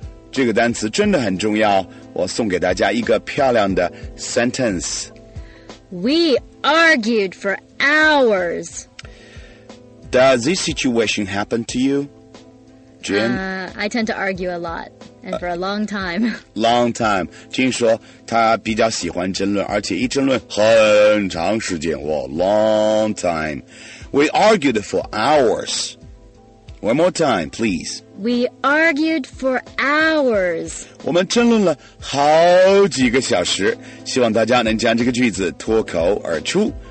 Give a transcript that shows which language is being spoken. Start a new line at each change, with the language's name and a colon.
Chinese: 这个单词真的很重要，我送给大家一个漂亮的 sentence。
English: We argued for hours. Does this situation happen to you, Jin? I tend to argue a lot, and for a long time. Long time.
Chinese: Jin 说他比较喜欢争论，而且一争论很长时间。
English: Well, long time. We argued for hours. One more time, please. We argued for hours.
Chinese: 我们争论了好几个小时。希望大家能将这个句子脱口而出。